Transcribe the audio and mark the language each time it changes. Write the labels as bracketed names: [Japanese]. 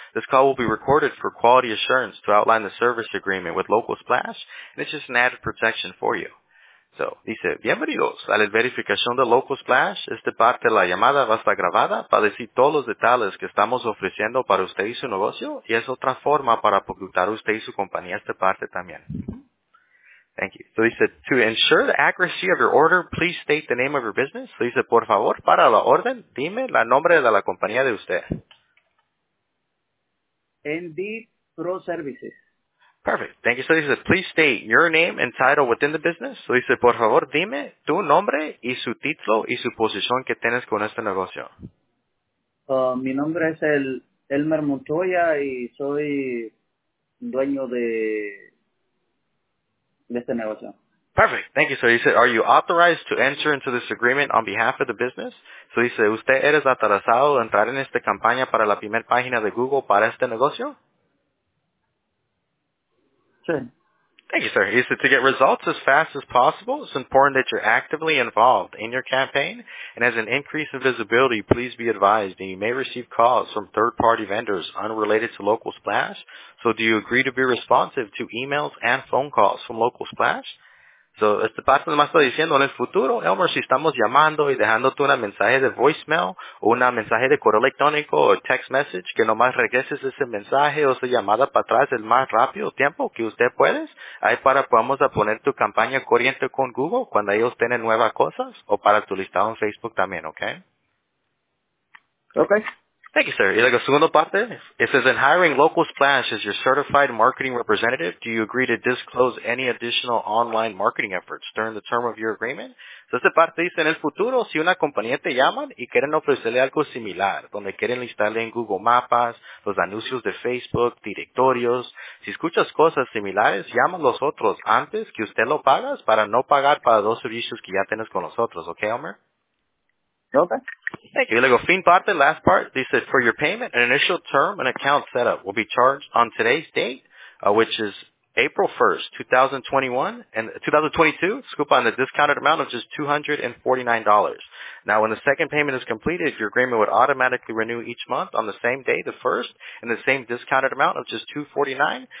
[English] This call will be recorded for quality assurance to outline the service agreement with Local Splash, and it's just an added protection for you. [Spanish] So, dice, bienvenidos a la verificación de Local Splash. Esta parte de la llamada va a estar grabada para decir todos los detalles que estamos ofreciendo para usted y su negocio, y es otra forma para publicitar usted y su compañía esta parte también. [English] Thank you. So, dice, to ensure the accuracy of your order, please state the name of your business. [Spanish] So, dice, por favor, para la orden, dime el nombre de la compañía de usted. [English] ND Pro Services. Perfect. Thank you. So he said, please state your name and title within the business. So he said, [Spanish] por favor, dime tu nombre y su título y su posición que tienes con este negocio. Mi nombre es Elmer Montoya y soy dueño de este negocio. [English] Perfect. Thank you. So he said, are you authorized to enter into this agreement on behalf of the business? So he said, [Spanish] ¿usted eres autorizado a entrar en esta campaña para la primera página de Google para este negocio? [English] Thank you, sir. He said, to get results as fast as possible, it's important that you're actively involved in your campaign, and as an increase in visibility, please be advised that you may receive calls from third-party vendors unrelated to Local Splash. So do you agree to be responsive to emails and phone calls from Local Splash? [Spanish] So esta parte me está diciendo, en el futuro, Elmer, si estamos llamando y dejándote un mensaje de voicemail o un mensaje de correo electrónico o text message, que nomás regreses ese mensaje o esa llamada para atrás el más rápido tiempo que usted puedes, ahí para podamos poner tu campaña corriente con Google cuando ellos tienen nuevas cosas o para tu listado en Facebook también, ¿ok? [English] Okay. Thank you, sir. [Spanish] Y la segunda parte, [English] it says, in hiring Local Splash as your certified marketing representative, do you agree to disclose any additional online marketing efforts during the term of your agreement? [Spanish] So esta parte dice, en el futuro, si una compañía te llaman y quieren ofrecerle algo similar, donde quieren listarle en Google Maps, los anuncios de Facebook, directorios, si escuchas cosas similares, llama a los otros antes que usted lo pagas para no pagar para dos servicios que ya tienes con nosotros. [English] Okay, Elmer? Okay. Thank you. [Spanish] Y luego, fin parte, [English] last part. They said, for your payment, an initial term and account setup will be charged on today's date, which is April 1st, 2021, and 2022, scoop on the discounted amount of just $249. Now, when the second payment is completed, your agreement would automatically renew each month on the same day, the first, and the same discounted amount of just $249.